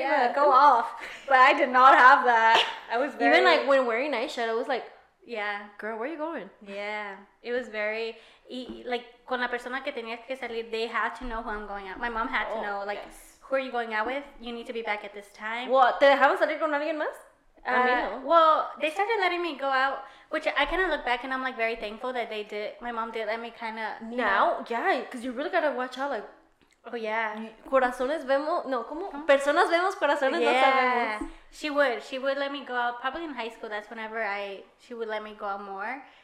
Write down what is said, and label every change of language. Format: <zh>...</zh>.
<en>Yeah, go off. But I did not have that. I was very... Even, like, when wearing eyeshadow, I was like, yeah. Girl, where are you going? Yeah. It was very... Like,</en> <es>con la persona que tenías que salir,</es> <en>they had to know who I'm going out. My mom had to know, like, yes. Who are you going out with? You need to be back at this time.</en> <es>Well, ¿te dejaban salir con alguien más?</es> <en>Well, they started letting me go out, which I kind of look back and I'm, like, very thankful that they did. My mom did let me kind of... Now? Know. Yeah, because you really got to watch out, like... Oh, yeah.</en> <es>Corazones vemos... No, ¿cómo? ¿Cómo? Personas vemos, corazones no sabemos.</es> <en>She would. She would let me go out. Probably in high school, that's whenever she would let me go out more.</en>